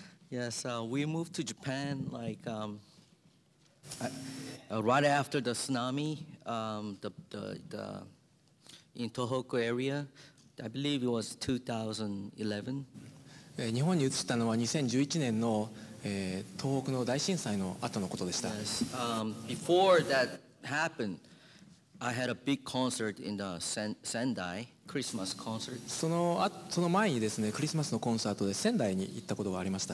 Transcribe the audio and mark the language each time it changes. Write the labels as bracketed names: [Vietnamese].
[English] Yes, we moved to Japan like right after the tsunami, the in Tohoku area. I believe it was 2011. [Japanese] 日本に移ったのは2011年の東北の大震災の後のことでした。 [English] Yes. Before that happened, I had a big concert in the Sendai Christmas concert. [Japanese] その前にですね、クリスマスのコンサートで仙台に行ったことがありました。